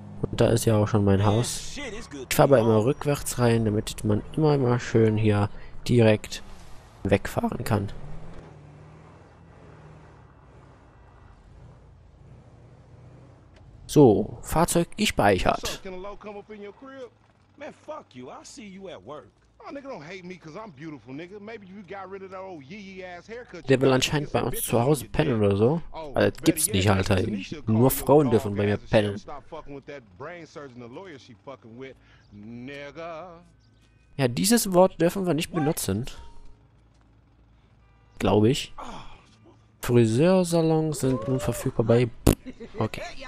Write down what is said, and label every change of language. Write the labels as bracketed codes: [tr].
[de] Und da ist ja auch schon mein Haus. Ich fahre aber immer rückwärts rein, damit man immer schön hier direkt wegfahren kann. So, Fahrzeug gespeichert. [en] Man, fuck you. I see you at work. Oh, nigga, don't hate me, cause I'm beautiful, nigga. Maybe you got rid of that old yee-yee-ass haircut. [de] Der will anscheinend bei uns zu Hause pennen oder so. Also, das gibt's nicht, Alter. Nur Frauen dürfen bei mir pennen. [en] Stop fucking with that brain surgeon, the lawyer she fucking with, nigga. [de] Ja, dieses Wort dürfen wir nicht benutzen. Glaube ich. Friseursalons sind nun verfügbar bei... Okay.